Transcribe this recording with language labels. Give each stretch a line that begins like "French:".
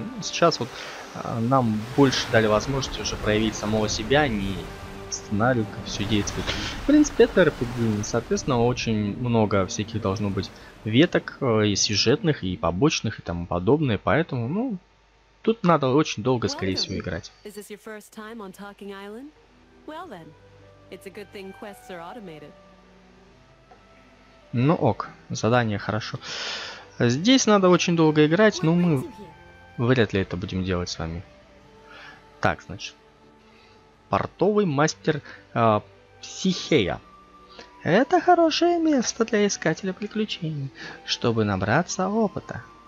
Russian: Но сейчас вот нам больше дали возможность уже проявить самого себя, не... сценарию, как все действует. В принципе, это RPG, соответственно, очень много всяких должно быть веток и сюжетных, и побочных, и тому подобное, поэтому, ну, тут надо очень долго, скорее всего, играть.
English: Is this your first time on Talking Island? Well then, it's a good thing quests are automated.
Russian: Ну ок, задание хорошо. Здесь надо очень долго играть, но мы вряд ли это будем делать с вами. Так, значит, портовый мастер Психея. Это хорошее место для искателя приключений, чтобы набраться опыта.